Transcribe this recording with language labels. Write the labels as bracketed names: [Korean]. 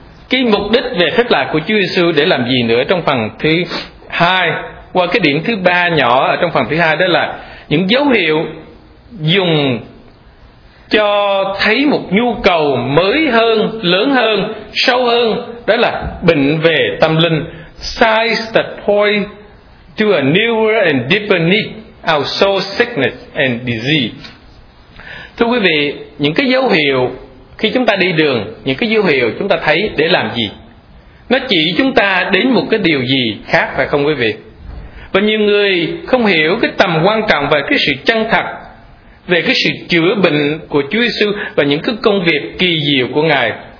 [Vietnamese] Cái mục đích về phép lạ của Chúa Giêsu để làm gì nữa trong phần thứ hai, qua cái điểm thứ ba nhỏ ở trong phần thứ hai, đó là những dấu hiệu dùng cho thấy một nhu cầu mới hơn, lớn hơn, sâu hơn, đó là bệnh về tâm linh. [English] Signs that point to a newer and deeper need, our soul sickness and disease. [Vietnamese] Thưa quý vị, những cái dấu hiệu khi chúng ta đi đường, những cái dấu hiệu chúng ta thấy để làm gì? Nó chỉ chúng ta đến một cái điều gì khác, phải không quý vị? Và nhiều người không hiểu cái tầm quan trọng và cái sự chân thật về cái sự chữa bệnh của Chúa Giêsu và những cái công việc kỳ diệu của Ngài.